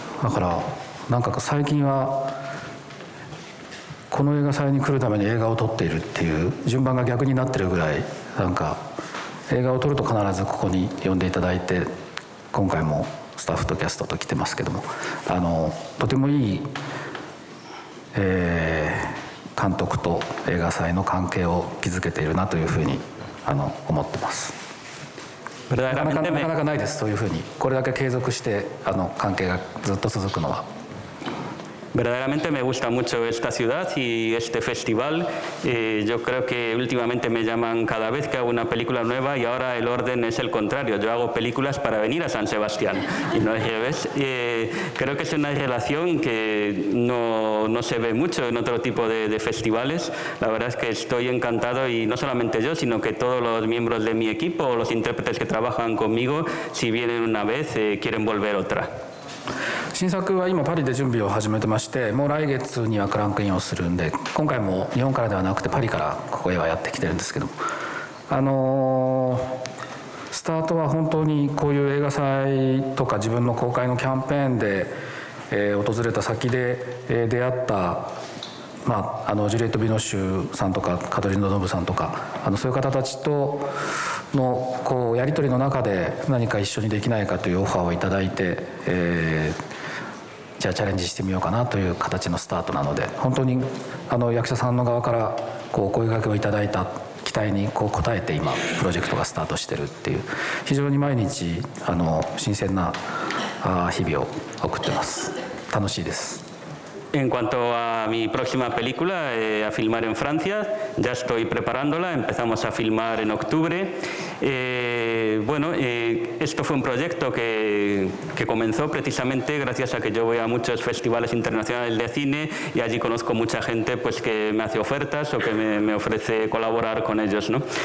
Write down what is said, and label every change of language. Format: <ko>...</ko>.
<ja>だからなんか最近はこの映画祭に来るために映画を撮っているっていう順番が逆になってるぐらい、なんか映画を撮ると必ずここに呼んでいただいて、今回もスタッフとキャストと来てますけども、とてもいい、監督と映画祭の関係を築けているなというふうに思ってます。なかなかないです、そういうふうにこれだけ継続して関係がずっと続くのは。</ja> <es>Verdaderamente me gusta mucho esta ciudad y este festival. Yo creo que últimamente me llaman cada vez que hago una película nueva y ahora el orden es el contrario. Yo hago películas para venir a San Sebastián y no al revés. Creo que es una relación que no se ve mucho en otro tipo de festivales. La verdad es que estoy encantado y no solamente yo, sino que todos los miembros de mi equipo o los intérpretes que trabajan conmigo, si vienen una vez, quieren volver otra.</es> <ja>新作は今パリで準備を始めてまして、もう来月にはクランクインをするんで、今回も日本からではなくてパリからここへはやってきてるんですけど、スタートは本当にこういう映画祭とか自分の公開のキャンペーンで、訪れた先で、出会った、まあ、ジュリエット・ビノシュさんとかカトリーヌ・ドノブさんとか、そういう方たちとのこうやり取りの中で何か一緒にできないかというオファーをいただいて、じゃあチャレンジしてみようかなという形のスタートなので、本当に役者さんの側からこう声掛けをいただいた期待にこう応えて今プロジェクトがスタートしてるっていう、非常に毎日新鮮な日々を送ってます。楽しいです。</ja> <es>En cuanto a mi próxima película, a filmar en Francia, ya estoy preparándola, empezamos a filmar en octubre. Esto fue un proyecto que comenzó precisamente gracias a que yo voy a muchos festivales internacionales de cine y allí conozco mucha gente pues, que me hace ofertas o que me ofrece colaborar con ellos, ¿no?</es>